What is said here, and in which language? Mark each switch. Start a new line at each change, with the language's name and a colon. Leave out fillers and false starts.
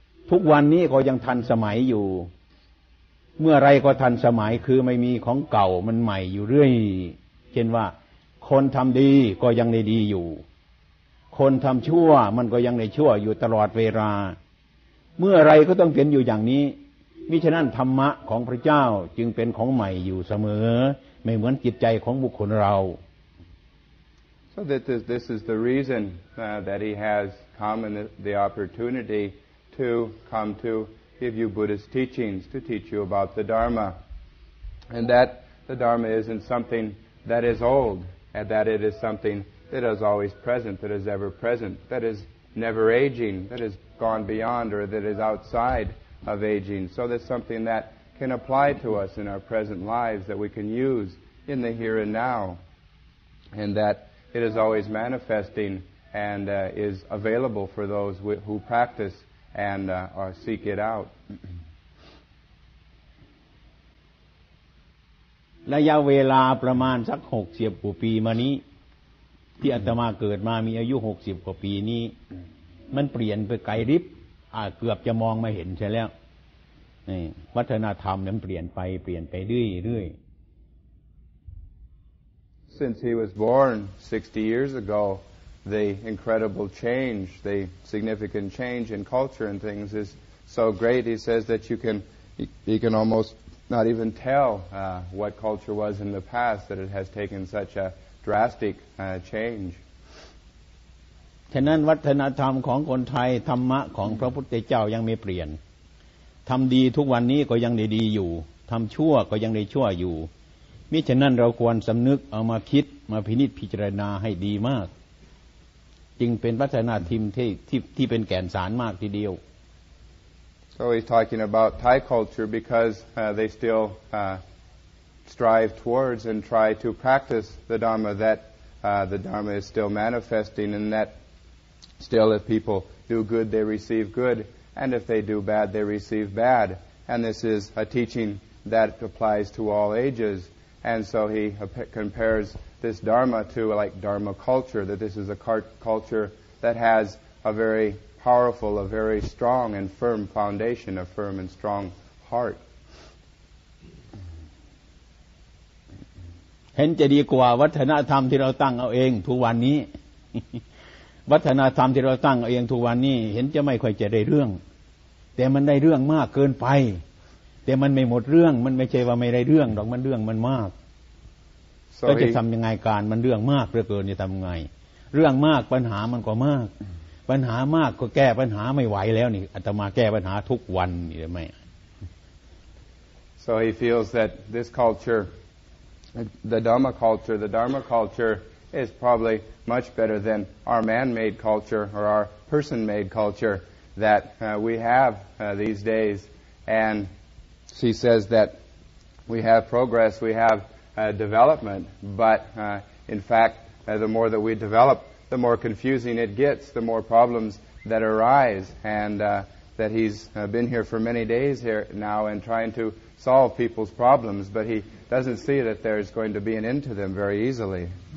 Thai: ทุกวันนี้ก็ยังทันสมัยอยู่เมื่อไรก็ทันสมัยคือไม่มีของเก่ามันใหม่อยู่เรื่อยเช่นว่าคนทำดีก็ยังได้ดีอยู่คนทำชั่วมันก็ยังได้ชั่วอยู่ตลอดเวลาเมื่อไรก็ต้องเป็นอยู่อย่างนี้มิฉะนั้นธรรมะของพระเจ้าจึงเป็นของใหม่อยู่เสมอไม่เหมือนจิตใจของบุคคลเรา
English: So this is the reason that he has come and the opportunity to come toGive you Buddhist teachings to teach you about the Dharma, and that the Dharma isn't something that is old, and that it is something that is always present, that is ever present, that is never aging, that has gone beyond or that is outside of aging. So that's something that can apply to us in our present lives that we can use in the here and now, and that it is always manifesting and is available for those who practice and or seek it out.
Thai: ระยะเวลาประมาณสัก60กว่าปีมานี้ที่อาตมาเกิดมามีอายุ60กว่าปีนี้มันเปลี่ยนไปไกลริบเกือบจะมองไม่เห็นใช่แล้ววัฒนธรรมมันเปลี่ยนไปเปลี่ยนไปเรื่อย
English: ๆ Since he was born 60 years ago, the incredible change, the significant change in culture and things is so great. He says that you can almost not even tell what culture was in the past, that it has taken such a drastic change.
Thai: ฉะนั้นวัฒนธรรมของคนไทยธรรมะของพระพุทธเจ้ายังไม่เปลี่ยนทำดีทุกวันนี้ก็ยังได้ดีอยู่ทำชั่วก็ยังได้ชั่วอยู่มิฉะนั้นเราควรสำนึกเอามาคิดมาพินิจพิจารณาให้ดีมากจึงเป็นวัฒนธรรมที่เป็นแก่นสารมากทีเดียว
English: So he's talking about Thai culture because they still strive towards and try to practice the Dharma that the Dharma is still manifesting and that still if people do good they receive goodAnd if they do bad, they receive bad. And this is a teaching that applies to all ages. And so he compares this Dharma to like Dharma culture, that this is a culture that has a very powerful, a very strong and firm foundation, a firm and strong heart.
Thai: เห็นจะดีกว่าวัฒนธรรมที่เราตั้งเอาเองทุกวันนี้วัฒนธรรมที่เราตั้งเอาเองทุกวันนี้เห็นจะไม่ค่อยจะได้เรื่องแต่มันได้เรื่องมากเกินไปแต่มันไม่หมดเรื่องมันไม่ใช่ว่าไม่ได้เรื่องหรอกมันเรื่องมันมากก็จะทำยังไงการมันเรื่องมากเหลือเกินจะทำไงเรื่องมากปัญหามันก็มากปัญหามากก็แก้ปัญหาไม่ไหวแล้วนี่อาตมาแก้ปัญหาทุกวันนี่ได้ไหม
English: So he feels that this culture the Dharma culture is probably much better than our man-made culture or our person-made culturethat we have these days. And she says that we have progress, we have development, but in fact, the more that we develop, the more confusing it gets, the more problems that arise, and that he's been here for many days here now and trying to solve people's problems, but he doesn't see that there's going to be an end to them very easily.